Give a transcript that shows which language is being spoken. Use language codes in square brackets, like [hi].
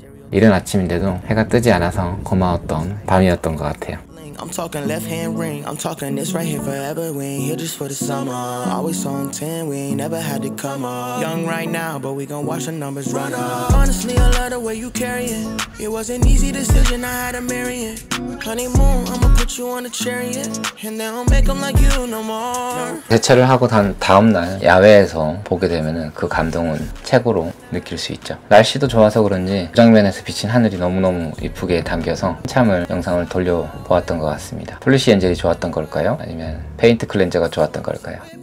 [ko] 이른 아침인데도 해가 뜨지 않아서 고마웠던 밤이었던 것 같아요. [en] I'm talking left hand ring. I'm talking this right here forever. We ain't here just for the summer. Always on 10, we ain't never had to come up. Young right now, but we gon' watch the numbers run up. Honestly, I love the way you carry it. It was an easy decision, I had to marry it. Honeymoon, I'ma put you on a chariot. And they don't make them like you no more. [ko] 세차를 하고 다음날 야외에서 보게 되면은 그 감동은 최고로 느낄 수 있죠. 날씨도 좋아서 그런지 정면에서 비친 하늘이 너무너무 이쁘게 담겨서 참을 영상을 돌려보았던 것 같습니다. 폴리시 엔젤이 좋았던 걸까요? 아니면 페인트 클렌저가 좋았던 걸까요?